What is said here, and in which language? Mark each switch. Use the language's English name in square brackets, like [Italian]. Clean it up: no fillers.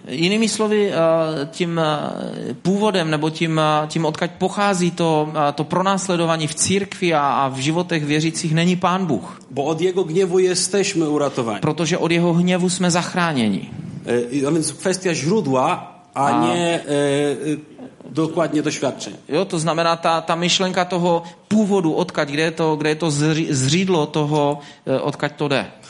[Czech] Jinými slovy, tím původem nebo tím odkud pochází to pronásledování v církvi a v životech věřících není Pán Bůh. [Polish] Bo od jeho gněvu jesteśmy uratowani. [Czech] Protože od jeho hněvu jsme zachráněni. [Polish] A więc kwestia źródła, a nie dokładnie doświadczeń. [Czech] Jo, to znamená ta myšlenka toho původu, odkud, kde je to zřídlo toho, odkud to jde.